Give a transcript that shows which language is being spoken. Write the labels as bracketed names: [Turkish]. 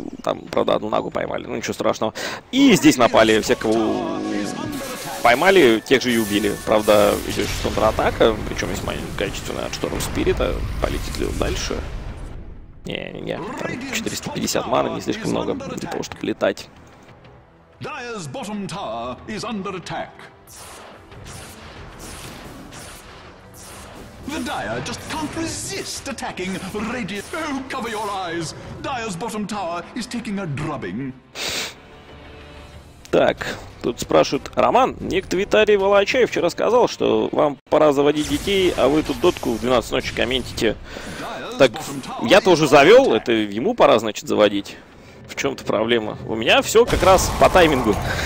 [Russian] Там, правда, одну нагу поймали. Ну ничего страшного. И здесь напали. Всех, кого поймали, тех же и убили. Правда, еще есть контратака. Причем весьма качественная от Шторм Спирита. Полетит ли он дальше? Не-не-не. Там 450 маны, не слишком много для того, чтобы летать. [English] Dire's bottom tower is under attack. The Dire just can't resist attacking Radiant. Oh, cover your eyes! Dire's bottom tower is taking a drubbing. [Russian] Так, тут спрашивают, Роман, некто Виталий Волочаев вчера сказал, что вам пора заводить детей, а вы тут дотку в 12 ночи комментите. Так, я-то уже завел, это ему пора, значит, заводить. В чем-то проблема. У меня все как раз по таймингу.